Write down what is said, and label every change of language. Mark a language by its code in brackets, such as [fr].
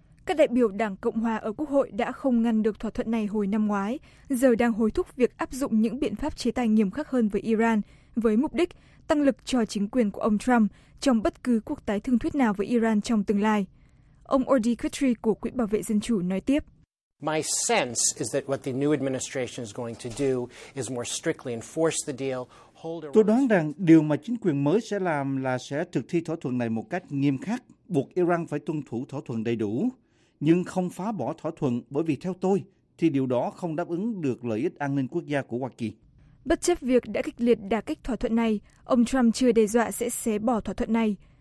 [vi] Các đại biểu Đảng Cộng Hòa ở Quốc hội đã không ngăn được thỏa thuận này hồi năm ngoái, giờ đang hối thúc việc áp dụng những biện pháp chế tài nghiêm khắc hơn với Iran, với mục đích tăng lực cho chính quyền của ông Trump trong bất cứ cuộc tái thương thuyết nào với Iran trong tương lai. Ông Ordi Kitri của Quỹ Bảo vệ Dân chủ nói tiếp. [en] My sense is that what the new administration is going to do is more strictly enforce the deal. [vi] Tôi đoán rằng điều mà chính quyền mới sẽ làm là sẽ thực thi thỏa thuận này một cách nghiêm khắc, buộc Iran phải tuân thủ thỏa thuận đầy đủ, nhưng không phá bỏ thỏa thuận, bởi vì theo tôi thì điều đó không đáp ứng được lợi ích an ninh quốc gia của Hoa Kỳ. Bất chấp việc đã kịch liệt đả kích thỏa thuận này, ông Trump chưa đe dọa sẽ xé bỏ thỏa thuận này.